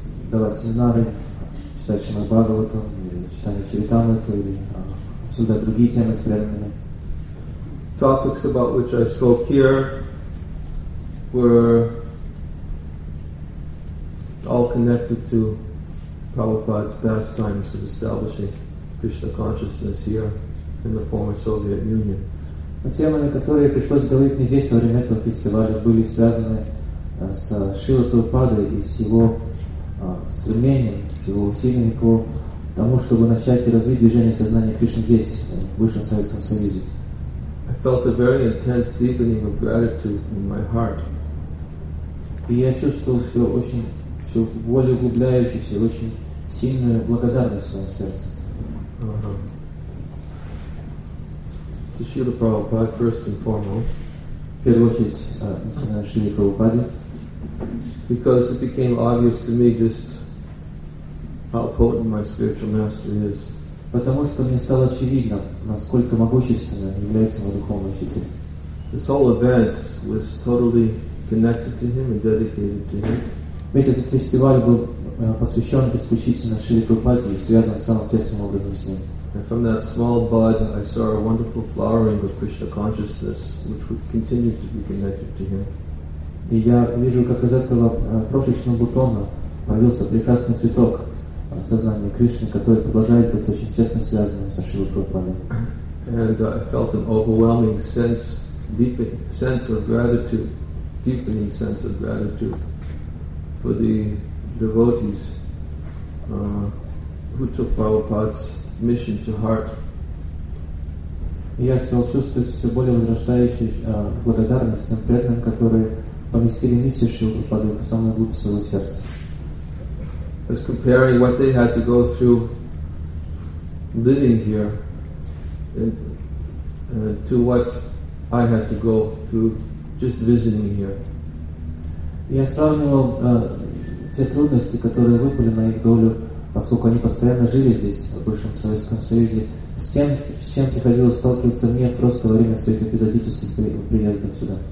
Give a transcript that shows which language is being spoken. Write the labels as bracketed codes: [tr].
[ru] Давать семинары, читать Шримад Бхагаватам, или читать Чаритамриту, или обсуждать другие темы с преданными. [en] Topics about which I spoke here were all connected to Prabhupada's pastimes of establishing Krishna consciousness here in the former Soviet Union. [ru] Темы, которые пришлось говорить мне здесь во время этого фестиваля, были связаны с Шрилой Прабхупадой и с его стремлением, с его усилием к тому, чтобы начать и развить движение сознания Кришны здесь, в Высшем Советском Союзе. [en] I felt a very intense deepening of gratitude in my heart. [ru] И я чувствовал все более углубляющуюся, очень сильную благодарность в своем сердце. [en] To Srila Prabhupada, first and foremost. [ru] В первую очередь, начиная с Шрилы Прабхупады. [en] Because it became obvious to me just how potent my spiritual master is. [ru] Потому что мне стало очевидно, насколько могущественным является мой духовный учитель. [en] This whole event was totally connected to him and dedicated to him. [ru] Весь этот фестиваль был посвящен исключительно Шриле Прабхупаде и связан самым тесным образом с ним. [en] And from that small bud, I saw a wonderful flowering of Krishna consciousness, which would continue to be connected to him. [ru] И я вижу, как из этого крошечного бутона появился прекрасный цветок сознания Кришны, который продолжает быть очень тесно связанным со Шрилой Прабхупадой. [en] And I felt an overwhelming deepening sense of gratitude for the devotees who took Prabhupada's mission to heart. [ru] И я стал чувствовать все более возрастающую благодарность тем преданным, которые поместили миссию Шрилы Прабхупады в самую глубь своего сердца. [en] As comparing what they had to go through living here to what I had to go through just visiting here. [ru] Я сравнивал те трудности, которые выпали на их долю, поскольку они постоянно жили здесь, в бывшем Советском Союзе, с чем приходилось сталкиваться мне просто во время своих эпизодических приездов сюда.